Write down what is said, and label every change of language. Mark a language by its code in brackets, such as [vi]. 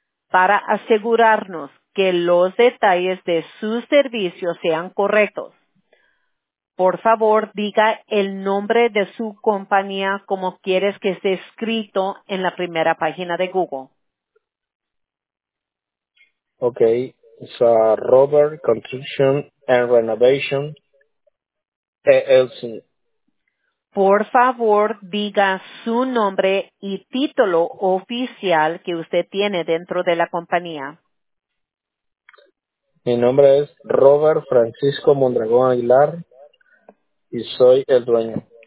[es] Para asegurarnos que los detalles de sus servicios sean correctos, por favor, diga el nombre de su compañía como quieres que esté escrito en la primera página de Google. [en] Okay, it's Robert Construction and Renovation, LLC. [es] Por favor, diga su nombre y título oficial que usted tiene dentro de la compañía. Mi nombre es Robert Francisco Mondragón Aguilar y soy el dueño.